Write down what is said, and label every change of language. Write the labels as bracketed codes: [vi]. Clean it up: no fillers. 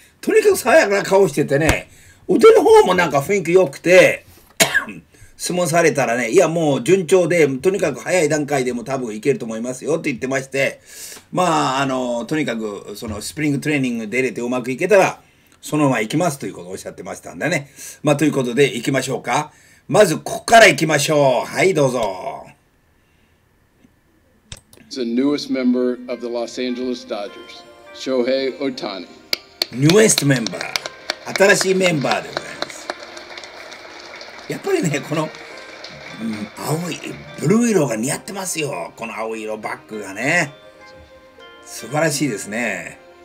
[ja] とにかく爽やかな顔しててね、腕の方もなんか雰囲気良くて、質問されたらね、いやもう順調で、とにかく早い段階でも多分いけると思いますよって言ってまして、まあ、とにかくそのスプリングトレーニング出れてうまくいけたら、そのまま行きますということをおっしゃってましたんでね。まあ、ということで行きましょうか。まずここから行きましょう。はい、どうぞ。 [en] The newest member of the Los Angeles Dodgers, Shohei Ohtani. Newest member. [ja] 新しいメンバーでございます。やっぱりね、この、青い、ブルー色が似合ってますよ。この青い色バッグがね。素晴らしいですね。